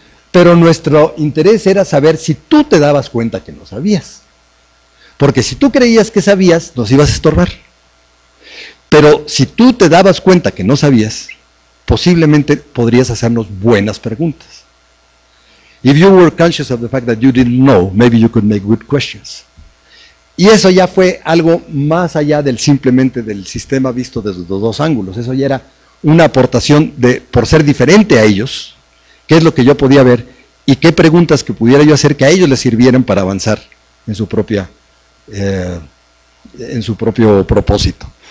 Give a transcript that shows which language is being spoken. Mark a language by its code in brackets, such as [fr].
[es] Pero nuestro interés era saber si tú te dabas cuenta que no sabías. Porque si tú creías que sabías, nos ibas a estorbar. Pero si tú te dabas cuenta que no sabías, posiblemente podrías hacernos buenas preguntas. [en] If you were conscious of the fact that you didn't know, maybe you could make good questions. [es] Y eso ya fue algo más allá del simplemente del sistema visto desde los dos ángulos. Eso ya era una aportación de, por ser diferente a ellos, qué es lo que yo podía ver y qué preguntas que pudiera yo hacer que a ellos les sirvieran para avanzar en su propia, en su propio propósito.